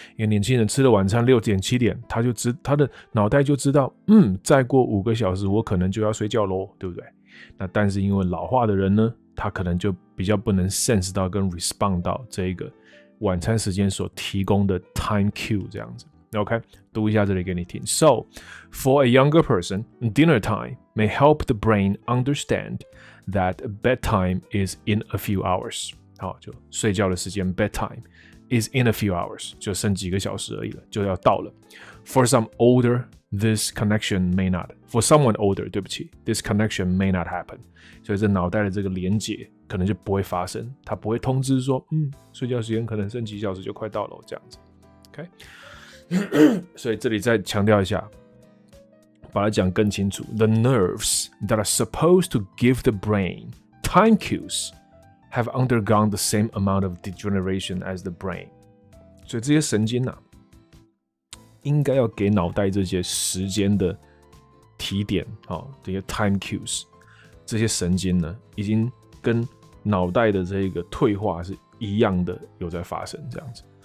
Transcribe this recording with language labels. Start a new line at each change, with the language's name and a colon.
Chinese: 因为年轻人吃了晚餐六点七点，他的脑袋就知道，再过五个小时我可能就要睡觉喽，对不对？那但是因为老化的人呢，他可能就比较不能 sense 到跟 respond 到这个晚餐时间所提供的 time cue 这样子。 OK， 读一下这里给你听。
English: So for a younger person, dinner time may help the brain understand that bedtime is in a few hours。
Chinese: 好，就睡觉的时间
English: bedtime is in a few hours，
Chinese: 就剩几个小时而已了，就要到了。
English: For some older, this connection may not. For someone older,
Chinese: 对不起
English: this connection may not happen.
Chinese: 所以这脑袋的这个连结可能就不会发生，他不会通知说，嗯，睡觉时间可能剩几小时就快到了这样子。 OK， 所以这里再强调一下，把它讲更清楚。
English: The nerves that are supposed to give the brain time cues have undergone the same amount of degeneration as the brain.
Chinese: 所以这些神经啊，应该要给脑袋这些时间的提点，哦，这些 time cues， 这些神经呢，已经跟脑袋的这个退化是一样的，有在发生这样子。